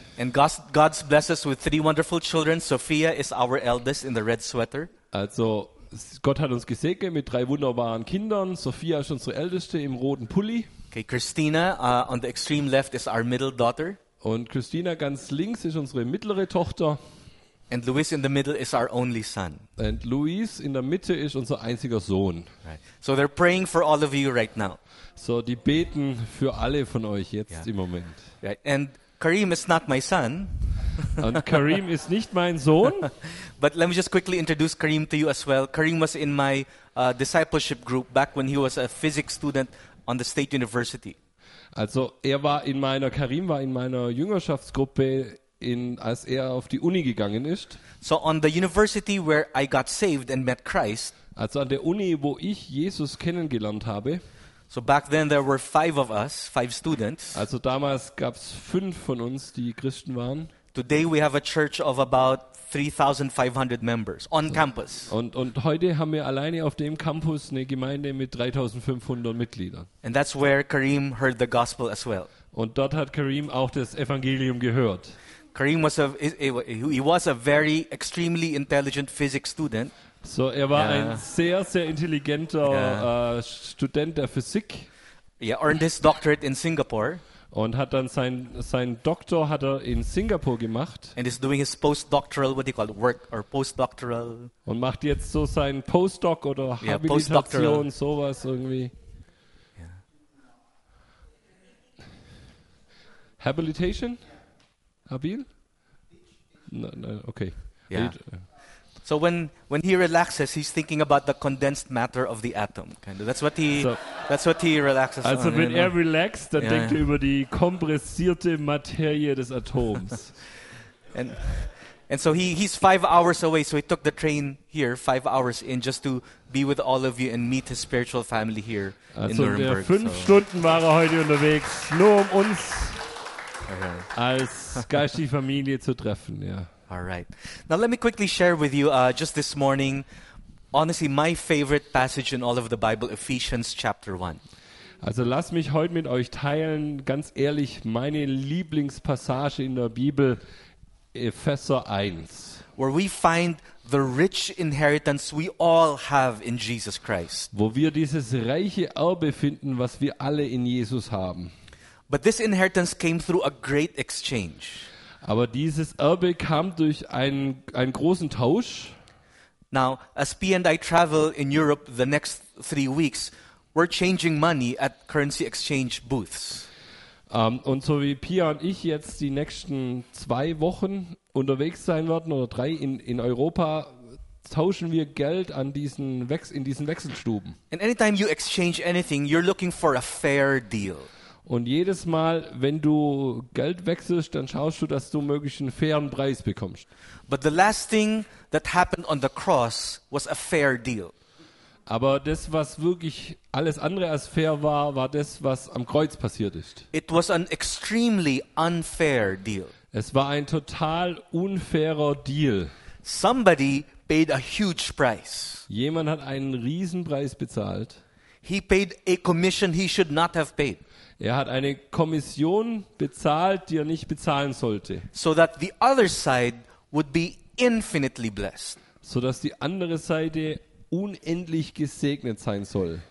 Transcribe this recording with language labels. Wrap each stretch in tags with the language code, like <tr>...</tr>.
<en>And God's blessed us with 3 wonderful children. Sophia is our eldest in the red sweater.</en> <de>Also Gott hat uns gesegnet mit 3 wunderbaren Kindern. Sophia ist unsere älteste im roten Pulli.</de> <en>Okay, Christina on the extreme left is our middle daughter.</en> <de>Und Christina ganz links ist unsere mittlere Tochter.</de> <en>And Luis in the middle is our only son.</en> <de>And Luis in der Mitte ist unser einziger Sohn.</de> <en>Right. So they're praying for all of you right now.</en> <de>So die beten für alle von euch jetzt im Moment.</de> <en>Right. And Karim is not my son.</en> <de>Und Karim ist nicht mein Sohn.</de> <en>But let me just quickly introduce Karim to you as well. Karim was in my discipleship group back when he was a physics student on the State University.</en> <de>Also Karim war in meiner Jüngerschaftsgruppe als er auf die Uni gegangen ist.</de> <en>So on the university where I got saved and met Christ.</en> <de>Also an der Uni, wo ich Jesus kennengelernt habe.</de> <en>So back then there were 5 of us, 5 students.</en> <de>Also damals gab's 5 von uns, die Christen waren.</de> <en>Today we have a church of about 3,500 members on campus.</en> <de>Und heute haben wir alleine auf dem Campus eine Gemeinde mit 3,500 Mitgliedern.</de> <en>And that's where Karim heard the gospel as well.</en> <de>Und dort hat Karim auch das Evangelium gehört.</de> <en>Karim was a very extremely intelligent physics student.</en> <de>So er war ein sehr sehr intelligenter Student der Physik.</de> <en>Yeah, earned his doctorate in Singapore.</en> <de>Und hat dann seinen Doktor in Singapur gemacht.</de> <en>And is doing his postdoctoral, what do you call it, work or postdoctoral.</en> <de>Und macht jetzt so sein Postdoc oder Habilitation, sowas irgendwie. Yeah.</de> <en>Habilitation? Habil? No, no, okay. Yeah. So when he relaxes, he's thinking about the condensed matter of the atom. Kind of. That's what he relaxes.</en> <de>Also on, wenn</de> <en>you know.</en> <de>Er relaxed, dann denkt er über die kompressierte Materie des Atoms.</de> <en>And so he's 5 hours away, so he took the train here 5 hours in just to be with all of you and meet his spiritual family here</en> <de>also</de> <en>in Nuremberg.</en> <de>Also 5 Stunden war er heute unterwegs, nur um uns als geistige Familie zu treffen, ja.</de> <en>All right. Now let me quickly share with you just this morning, honestly, my favorite passage in all of the Bible, Ephesians chapter 1.</en> <de>Also lass mich heute mit euch teilen, ganz ehrlich, meine Lieblingspassage in der Bibel, Epheser 1.</de> <en>Where we find the rich inheritance we all have in Jesus Christ.</en> <de>Wo wir dieses reiche Erbe finden, was wir alle in Jesus haben.</de> <en>But this inheritance came through a great exchange.</en> <de>Aber dieses Erbe kam durch einen großen Tausch.</de> <en>Now, as P and I travel in Europe the next 3 weeks, we're changing money at currency exchange booths.</en> <de>Und so wie Pia und ich jetzt die nächsten 2 Wochen unterwegs sein werden oder 3 in Europa, tauschen wir Geld an diesen in diesen Wechselstuben.</de> <en>And anytime you exchange anything, you're looking for a fair deal.</en> <de>Und jedes Mal, wenn du Geld wechselst, dann schaust du, dass du möglichst einen fairen Preis bekommst.</de> <en>But the last thing that happened on the cross was a fair deal.</en> <de>Aber das, was wirklich alles andere als fair war, war das, was am Kreuz passiert ist.</de> <en>It was an extremely unfair deal.</en> <de>Es war ein total unfairer Deal.</de> <en>Somebody paid a huge price.</en> <de>Jemand hat einen Riesenpreis bezahlt.</de> <en>He paid a commission he should not have paid.</en> <de>Er hat eine Kommission bezahlt, die er nicht bezahlen sollte.</de> <en>So that the other side would be infinitely blessed.</en> <de>So dass die andere Seite unendlich gesegnet sein soll.</de>